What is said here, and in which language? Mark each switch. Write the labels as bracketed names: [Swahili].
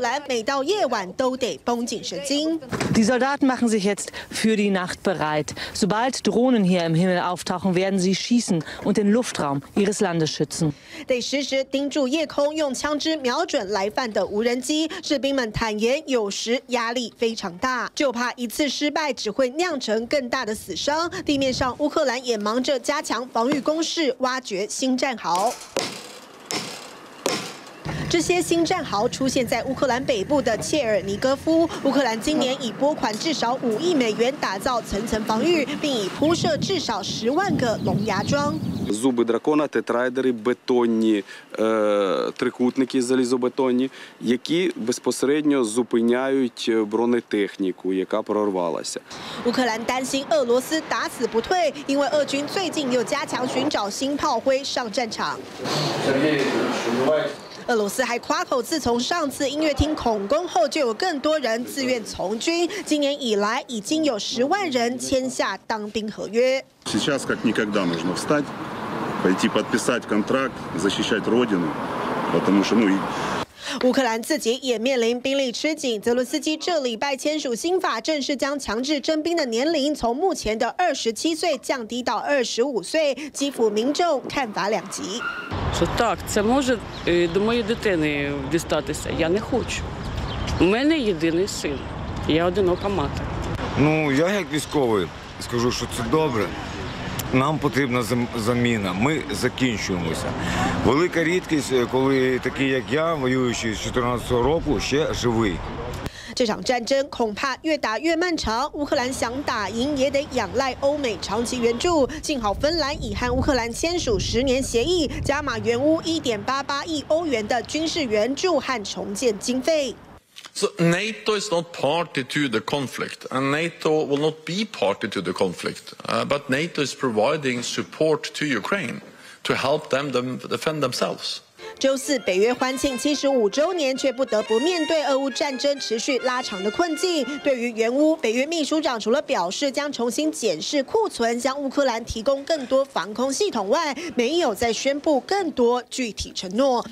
[German] Die Soldaten machen sich jetzt für die Nacht bereit. Sobald Drohnen hier im Himmel auftauchen, werden sie schießen und den Luftraum ihres Landes schützen. [Chinese] 得时时盯住夜空，用枪支瞄准来犯的无人机。士兵们坦言，有时压力非常大，就怕一次失败只会酿成更大的死伤。地面上，乌克兰也忙着加强防御攻势，挖掘新战壕。这些新战壕出现在乌克兰北部的切尔尼戈夫。乌克兰今年已拨款至少5亿美元打造层层防御，并已铺设至少10万个龙牙桩。 [Ukrainian] Зуби дракона, тетрайдери, бетонні, трикутники залізобетонні, які безпосередньо зупиняють бронетехніку, яка прорвалася. [Chinese] 乌克兰担心俄罗斯打死不退，因为俄军最近又加强寻找新炮灰上战场。俄罗斯还夸口，自从上次音乐厅恐攻后，就有更多人自愿从军。今年以来，已经有10万人签下当兵合约。 [Russian] Сейчас как никогда нужно встать, пойти подписать контракт, защищать родину, потому что [Chinese] 乌克兰自己也面临兵力吃紧，泽伦斯基这礼拜签署新法，正式将强制征兵的年龄从目前的27岁降低到25岁。基辅民众看法两极。 [Ukrainian] Що так, це може до моєї дитини дістатися? Я не хочу. У мене єдиний син. Я одинока мати. Ну, я як військовий скажу, що це добре. Нам потрібна заміна, ми закінчуємося. Велика рідкість, коли такі, як я, воюючий з 14-го року, ще живий. [Chinese] 这场战争恐怕越打越漫长，乌克兰想打赢也得仰赖欧美长期援助。幸好芬兰已和乌克兰签署10年协议，加码援乌1.88亿欧元的军事援助和重建经费。 [English] So NATO is not party to the conflict, and NATO will not be party to the conflict. But NATO is providing support to Ukraine to help them defend themselves. [Chinese] 周四，北约欢庆75周年，却不得不面对俄乌战争持续拉长的困境。对于援乌，北约秘书长除了表示将重新检视库存，向乌克兰提供更多防空系统外，没有再宣布更多具体承诺。